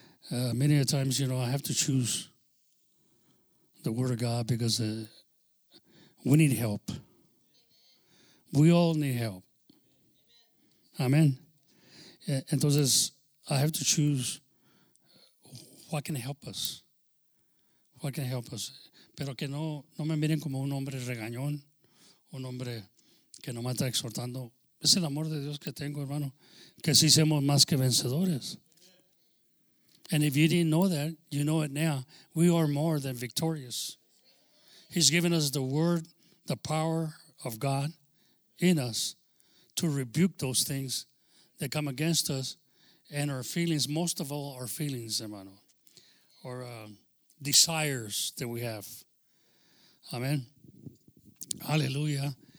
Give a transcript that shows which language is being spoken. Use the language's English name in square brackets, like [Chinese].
[English] Many a times, you know, I have to choose the Word of God because we need help. We all need help. Amen. [Spanish] Entonces, [English] I have to choose what can help us. What can help us. [Spanish] Pero que no me miren como un hombre regañón, un hombre que no me está exhortando. Es el amor de Dios que tengo, hermano, que sí somos más que vencedores. [English] And if you didn't know that, you know it now. We are more than victorious. He's given us the word, the power of God in us to rebuke those things that come against us and our feelings, most of all our feelings, hermano, or desires that we have. Amen. Hallelujah.